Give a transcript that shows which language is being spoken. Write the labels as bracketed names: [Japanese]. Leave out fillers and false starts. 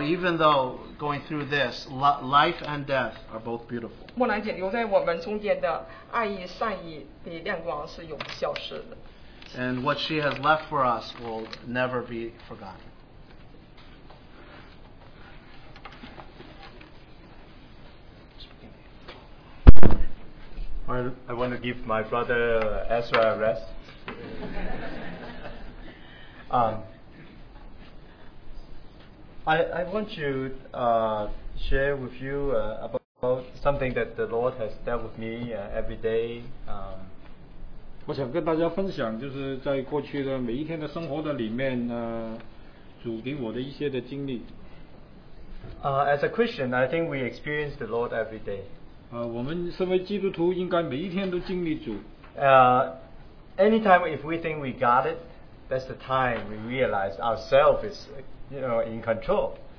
[English] even though going through this, life and death are both beautiful. [Chinese] 木兰姐留在我们中间的爱意、善意的亮光是永不消失的。 [English] And what she has left for us will never be forgotten. Well, I want to give my brother Ezra a rest. I want to share with you about something that the Lord has dealt with me every day. [Chinese] 我想跟大家分享，就是在过去的每一天的生活的里面，主给我的一些的经历。 [English] As a Christian, I think we experience the Lord every day. [Chinese] 我们身为基督徒，应该每一天都经历主。 [English] Anytime if we think we got it, that's the time we realize ourselves is, in control.